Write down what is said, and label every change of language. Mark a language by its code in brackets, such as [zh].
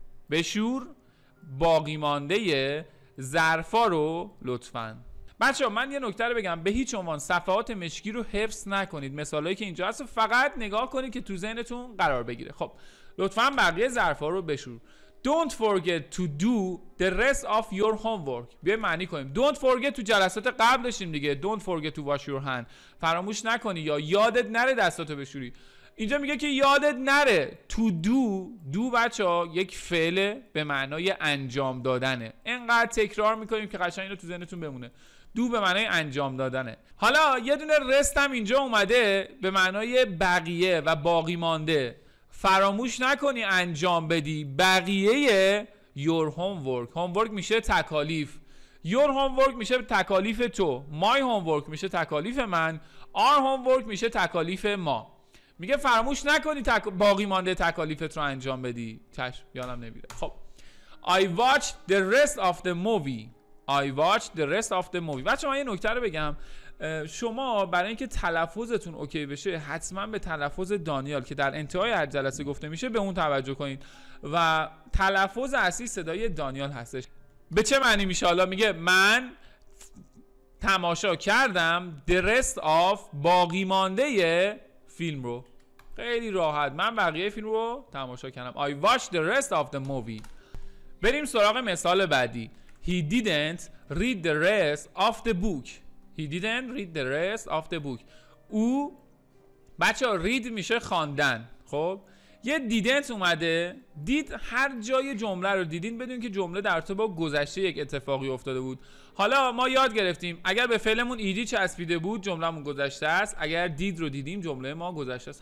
[fa] بشور باقی مانده ظرفا رو لطفاً. بچه‌ها من یه نکته رو بگم، به هیچ عنوان صفحات مشکی رو حفظ نکنید. مثالی که اینجا هست فقط نگاه کنید که تو ذهنتون قرار بگیره. خب لطفاً بقیه ظرفا رو بشور. [en] Don't forget to do the rest of your homework. [fa] بیایم معنی کنیم. [en] Don't forget [fa] تو جلسات قبل داشتیم دیگه. [en] Don't forget to wash your hand. [fa] فراموش نکنی یا یادت نره دستاتو بشوری. اینجا میگه که یادت نره. [en] To do. [fa] Do بچه ها یک فعل به معنای انجام دادنه. اینقدر تکرار میکنیم که قشنگ اینو تو ذهنتون بمونه. دو به معنای انجام دادنه. حالا یه دونه rest هم اینجا اومده به معنای بقیه و باقی مانده. فراموش نکنی انجام بدی بقیه [en] your homework. [fa] homework میشه تکالیف. [en] your homework [fa] میشه تکالیف تو. [en] my homework [fa] میشه تکالیف من. [en] our homework [fa] میشه تکالیف ما. میگه فراموش نکنی باقی مانده تکالیفت رو انجام بدی. چشم یادم نمیره. [en] خب I watch the rest of the movie. I watch the rest of the movie. [fa] بچه من یه نکته رو بگم، شما برای اینکه تلفظتون اوکی بشه حتما به تلفظ دانیال که در انتهای هر جلسه گفته میشه به اون توجه کنید و تلفظ اصلی صدای دانیال هستش. به چه معنی میشه؟ حالا میگه من تماشا کردم [en] the rest of [fa] باقی مانده فیلم رو. خیلی راحت من بقیه فیلم رو تماشا کردم. [en] I watched the rest of the movie. [fa] بریم سراغ مثال بعدی. [en] He didn't read the rest of the book. He didn't read the rest of the book. [fa] او بچه ها read میشه خواندن. خب یه didn't اومده. دید هر جای جمله رو دیدین بدون که جمله در تو با گذشته یک اتفاقی افتاده بود. حالا ما یاد گرفتیم اگر به فعلمون ایدی چسبیده بود جملهمون گذشته است، اگر دید رو دیدیم جمله ما گذشته است.